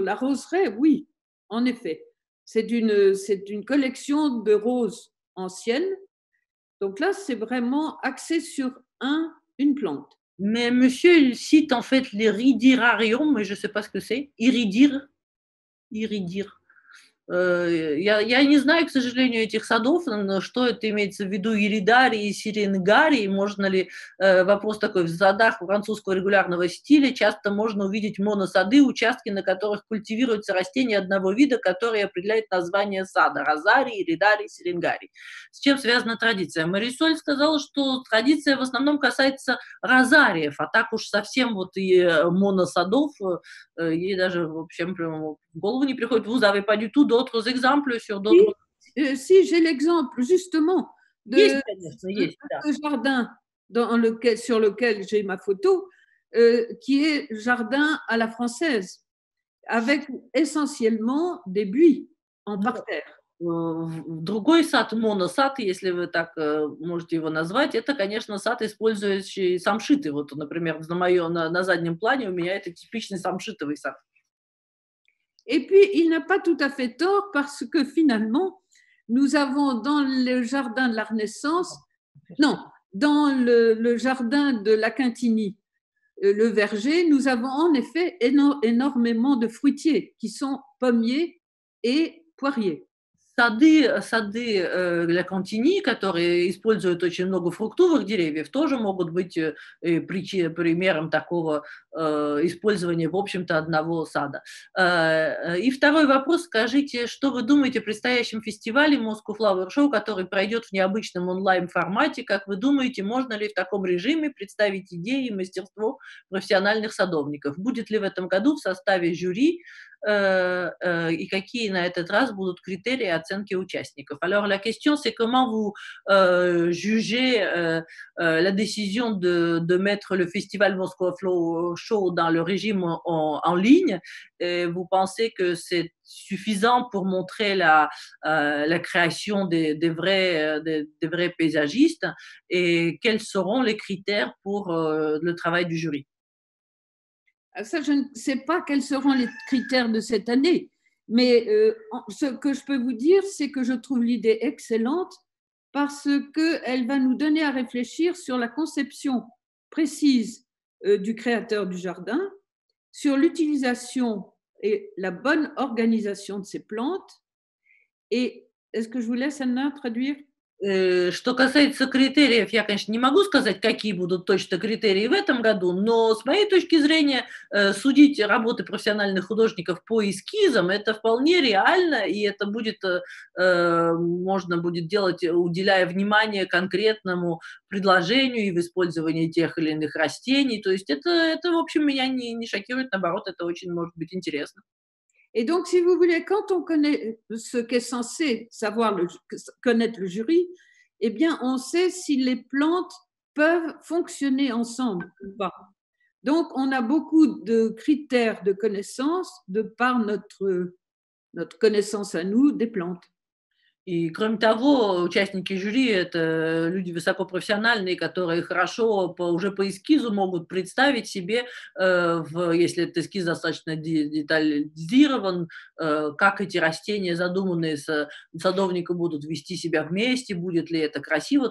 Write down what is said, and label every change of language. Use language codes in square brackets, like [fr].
[fr] La roseraie, oui, en effet. C'est une collection de roses anciennes. Donc là, c'est vraiment axé sur une plante. Mais monsieur, il cite en fait l'iridirarium, mais je ne sais pas ce que c'est. Iridir. [ru] Я не знаю, к сожалению, этих садов, но что это имеется в виду, иридарий и сиренгарий, можно ли, вопрос такой, в садах французского регулярного стиля часто можно увидеть моносады, участки, на которых культивируются растения одного вида, которые определяют название сада, розарий, иридарий, сиренгарий. С чем связана традиция? Марисоль сказала, что традиция в основном касается розариев, а так уж совсем вот и моносадов, ей даже, в общем, прям в голову не приходит, [fr] vous avez pas du tout d'autres exemples sur d'autres... Si, j'ai l'exemple, justement, de ce jardin dans lequel, sur lequel j'ai ma photo, qui est jardin à la française, avec essentiellement des buis en parterre. [ru] Другой сад, моносад, если вы так можете его назвать, это, конечно, сад, использующий самшиты. Вот, например, на моем, на заднем плане у меня это типичный самшитовый сад. [fr] Et puis, il n'a pas tout à fait tort, parce que finalement, nous avons dans le jardin de la Renaissance, non, dans le jardin de la Quintini, le verger, nous avons en effet énormément de fruitiers, qui sont pommiers et poiriers. [ru] Сады для Кантини, которые используют очень много фруктовых деревьев, тоже могут быть примером такого использования, в общем-то, одного сада. И второй вопрос. Скажите, что вы думаете о предстоящем фестивале Moscow Flower Show, который пройдет в необычном онлайн-формате? Как вы думаете, можно ли в таком режиме представить идеи и мастерство профессиональных садовников? Будет ли в этом году в составе жюри [fr] et quels, na cette fois, seront les critères et [ru] оценки участников. [fr] Alors la question c'est comment vous jugez la décision de mettre le festival Moscow Flower Show dans le régime en ligne. Et vous pensez que c'est suffisant pour montrer la création des vrais paysagistes, et quels seront les critères pour le travail du jury? Ça, je ne sais pas quels seront les critères de cette année, mais ce que je peux vous dire, c'est que je trouve l'idée excellente, parce qu'elle va nous donner à réfléchir sur la conception précise du créateur du jardin, sur l'utilisation et la bonne organisation de ces plantes. Et est-ce que je vous laisse, Anna, traduire? [ru] Что касается критериев, я, конечно, не могу сказать, какие будут точно критерии в этом году, но с моей точки зрения судить работы профессиональных художников по эскизам – это вполне реально, и это будет, можно будет делать, уделяя внимание конкретному предложению и в использовании тех или иных растений. То есть это в общем, меня не шокирует, наоборот, это очень может быть интересно. [fr] Et donc, si vous voulez, quand on connaît ce qu'est censé savoir connaître le jury, eh bien, on sait si les plantes peuvent fonctionner ensemble ou pas. Donc, on a beaucoup de critères de connaissance de par notre connaissance à nous des plantes. [ru] И кроме того, участники жюри – это люди высокопрофессиональные, которые хорошо уже по эскизу могут представить себе, если этот эскиз достаточно детализирован, как эти растения, задуманные с садовником, будут вести себя вместе, будет ли это красиво.